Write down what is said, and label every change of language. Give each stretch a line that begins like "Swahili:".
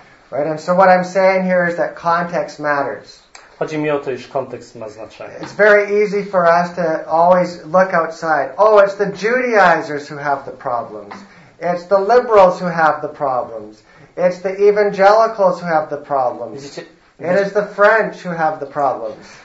English: Right, and so what I'm saying here is that context matters.
Polish: Chodzi mi o to, iż kontekst ma znaczenie.
English: It's very easy for us to always look outside. Oh, it's the Judaizers who have the problems. It's the liberals who have the problems. It's the evangelicals who have the problems. It is the French who have the problems.